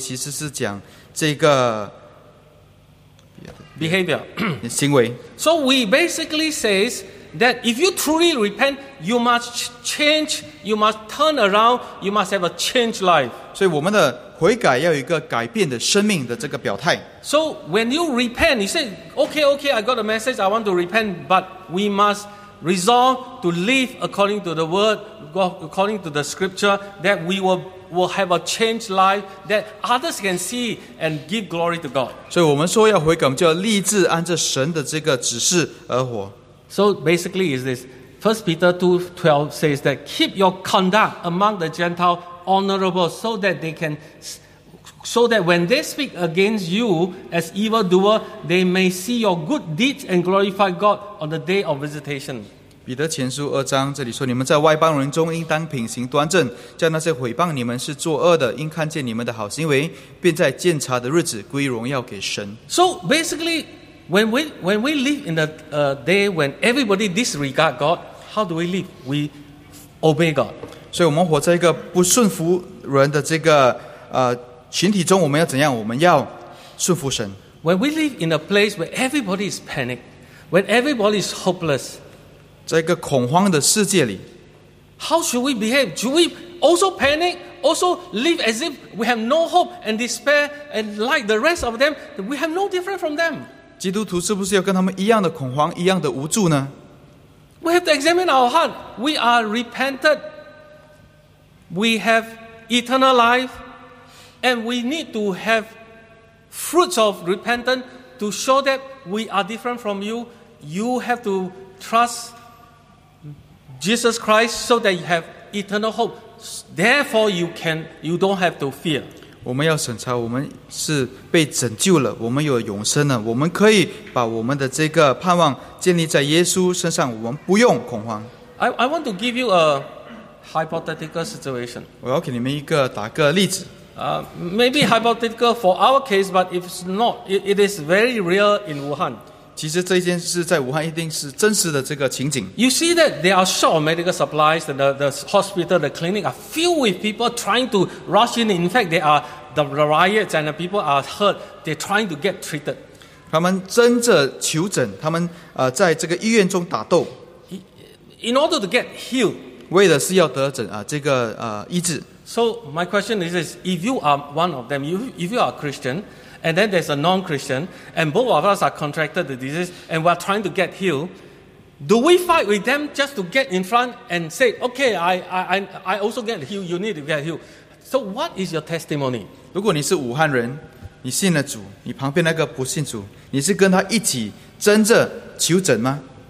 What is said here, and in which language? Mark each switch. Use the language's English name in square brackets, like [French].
[Chinese] 可是如果你追上面的这个上段，5:1-15节其实是讲这个 [English] behavior, [Chinese] 行为。 [English] So we basically says that if you truly repent, you must change, you must turn around, you must have a changed life. [Chinese] 所以我们的 悔改要有一个改变的生命的这个表态。So [English] when you repent, you say, okay, I got a message, I want to repent, but we must resolve to live according to the word, according to the scripture, that we will have a changed life that others can see and give glory to God. [Chinese] 所以我们说要悔改，我们就要立志按着神的这个指示而活。So [English] basically is this. 1 Peter 2:12 says that keep your conduct among the Gentiles honorable so that they can So that when they speak against you as evildoer, they may see your good deeds and glorify God on the day of visitation. [Chinese] 彼得前书二章这里说，你们在外邦人中应当品行端正，叫那些毁谤你们是作恶的，应看见你们的好行为，便在鉴察的日子归荣耀给神。 [English] So basically, when we live in a day when everybody disregard God, how do we live? We obey God. [Chinese] 所以我们活在一个不顺服人的这个群体中，我们要怎样？我们要顺服神。 [English] When we live in a place where everybody is panic, when everybody is hopeless. [Chinese] 在一个恐慌的世界里 [English] ，How should we behave? Should we also panic, also live as if we have no hope and despair, and like the rest of them, we have no different from them? [Chinese] 基督徒是不是要跟他们一样的恐慌，一样的无助呢 [English] ？We have to examine our heart. We are repented. We have eternal life, and we need to have fruits of repentance to show that we are different from you. You have to trust. Jesus Christ, so that you have eternal hope. Therefore, you don't have to fear. [Chinese] 我们要审查，我们是被拯救了，我们有永生了，我们可以把我们的这个盼望建立在耶稣身上，我们不用恐慌。 [English] I want to give you a hypothetical situation. [Chinese] 我要给你们一个打个例子。 [English] Maybe hypothetical for our case, but if it's not, it is very real in Wuhan. [Chinese] 其实这件事在武汉一定是真实的这个情景。 [English] You see that there are short of medical supplies, and the hospital, the clinic are filled with people trying to rush in. In fact, there are the riots and the people are hurt. They're trying to get treated. [Chinese] 他们争着求诊，他们在这个医院中打斗。 [English] In order to get healed, [Chinese] 为的是要得诊这个医治。 [English] So my question is this: if you are one of them, if you are a Christian. And then there's a non-Christian, and both of us are contracted the disease, and we're trying to get healed. Do we fight with them just to get in front and say, okay, I also get healed, you need to get healed? So what is your testimony? [Chinese] 如果你是武汉人，你信了主，你旁边那个不信主，你是跟他一起争着求诊吗？